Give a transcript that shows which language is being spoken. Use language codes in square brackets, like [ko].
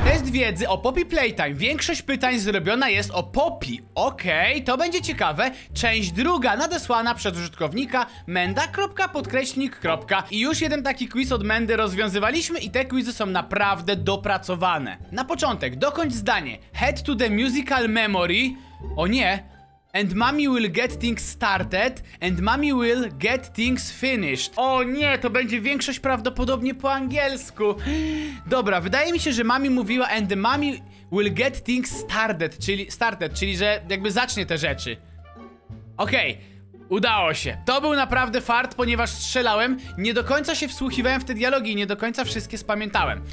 [pl] Test wiedzy o Poppy Playtime. Większość pytań zrobiona jest o Poppy. Okej, to będzie ciekawe. Część druga nadesłana przez użytkownika menda.podkreśnik. I już jeden taki quiz od Mendy rozwiązywaliśmy i te quizy są naprawdę dopracowane. Na początek, dokończ zdanie. [en] Head to the musical memory. [pl] O nie. [en] And mommy will get things started. And mommy will get things finished. [pl] O nie, to będzie większość prawdopodobnie po angielsku. Dobra, wydaje mi się, że mami mówiła [en] and mommy will get things started, [pl] czyli że jakby zacznie te rzeczy. Okej. Udało się. To był naprawdę fart, ponieważ strzelałem, nie do końca się wsłuchiwałem w te dialogi i nie do końca wszystkie spamiętałem.